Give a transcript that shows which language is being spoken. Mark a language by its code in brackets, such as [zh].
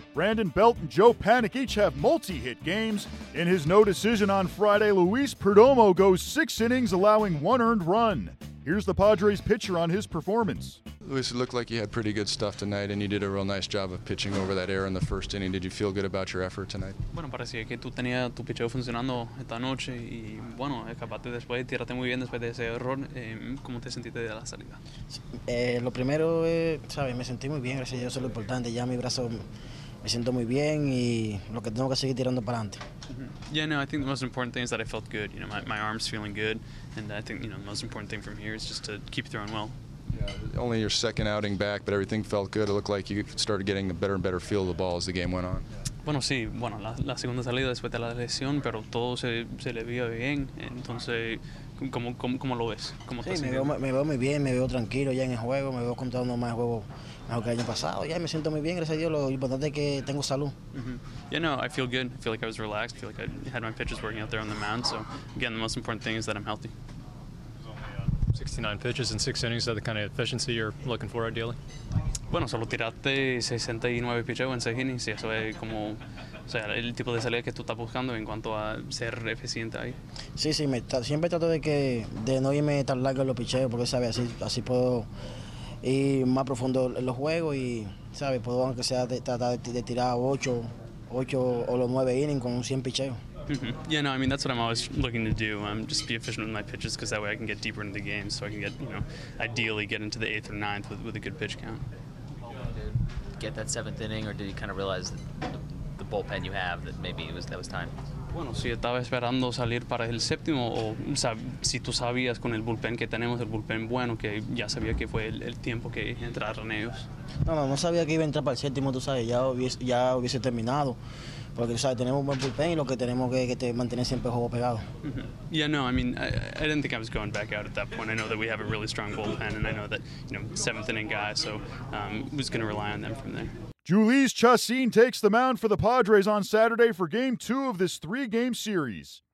[en] Brandon Belt and Joe Panic each have multi-hit games. In his no decision on Friday, Luis Perdomo goes six innings, allowing one earned run. Here's the Padres pitcher on his performance. Luis, it looked like you had pretty good stuff tonight, and you did a real nice job of pitching over that error in the first inning. Did you feel good about your effort tonight? [es] Bueno, parecía que tú tenías tu picheo funcionando esta noche, y bueno, escapaste después, tiraste muy bien después de ese error. ¿Cómo te sentiste de la salida? Lo primero, sabes, me sentí muy bien, gracias a Dios, es lo importante. Ya mi brazo me siento muy bien, y lo que tengo que seguir tirando para adelante. [en] Yeah, no, I think the most important thing is that I felt good. You know, my arm's feeling good, and I think, you know, the most important thing from here is just to keep throwing well. Yeah, only your second outing back, but everything felt good. It looked like you started getting a better and better feel of the ball as the game went on. [es] Bueno, sí. Bueno, la segunda salida después de la lesión, pero todo se le veía bien. Entonces, ¿cómo lo ves? ¿Cómo sí, me veo muy bien, me veo tranquilo ya en el juego, me veo contando más juego mejor que el año pasado. Ya me siento muy bien, gracias a Dios. Lo importante es que tengo salud. [en] Mm-hmm. Yeah, no, I feel good. I feel like I was relaxed. I feel like I had my pitches working out there on the mound. So, again, the most important thing is that I'm healthy. 69 pitches in six innings, are the kind of efficiency you're looking for ideally? [es] Bueno, solo tiraste 69 pitches en seis innings, y eso es como, o sea, el tipo de salida que tú estás buscando en cuanto a ser eficiente ahí. Sí, sí, siempre trato de no irme tan largo en los pitches, porque, ¿sabes? Así puedo ir más profundo en los juegos y, ¿sabes? Puedo, aunque sea, tratar de tirar ocho o los nueve innings con 100 pitches. Mm-hmm. [en] Yeah, no, I mean, that's what I'm always looking to do, just be efficient with my pitches, because that way I can get deeper into the game, so I can get, you know, ideally get into the eighth or ninth with a good pitch count. Get that seventh inning, or did you kind of realize that the bullpen you have, that maybe that was time? [es] Bueno, si estaba esperando salir para el séptimo, o si tú sabías con el bullpen que tenemos, el bullpen bueno, que ya sabía que fue el tiempo que entraron ellos. No sabía que iba a entrar para el séptimo, tú sabes, ya hubiese terminado. Porque, ¿sabes? Tenemos un buen bullpen y lo que tenemos que te mantener siempre el juego pegado. Mm-hmm. [en] Yeah, no, I mean, I didn't think I was going back out at that point. I know that we have a really strong bullpen, and I know that, you know, seventh inning guy, so I was going to rely on them from there. Julius Chacin takes the mound for the Padres on Saturday for game two of this three-game series.